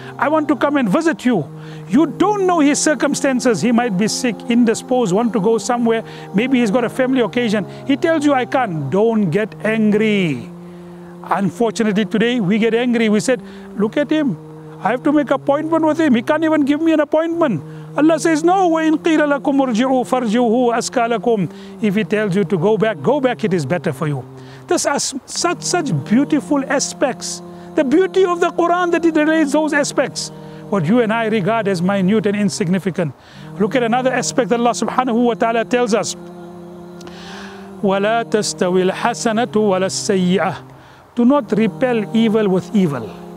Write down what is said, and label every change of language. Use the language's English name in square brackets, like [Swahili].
[English] I want to come and visit you. You don't know his circumstances. He might be sick, indisposed, want to go somewhere. Maybe he's got a family occasion. He tells you, I can't. Don't get angry. Unfortunately, today we get angry. We said, look at him. I have to make an appointment with him. He can't even give me an appointment. Allah says, no, [Arabic] وَإِن قِيلَ لَكُمْ ارْجِعُوا فَرْجِعُوا أَزْكَى لَكُمْ. [English] If he tells you to go back, it is better for you. This is such beautiful aspects. The beauty of the Quran that it relates those aspects. What you and I regard as minute and insignificant. Look at another aspect that Allah subhanahu wa ta'ala tells us. [Arabic] وَلَا تَسْتَوِي الْحَسَنَةُ وَلَا السَّيِّئَةُ. [English] Do not repel evil with evil.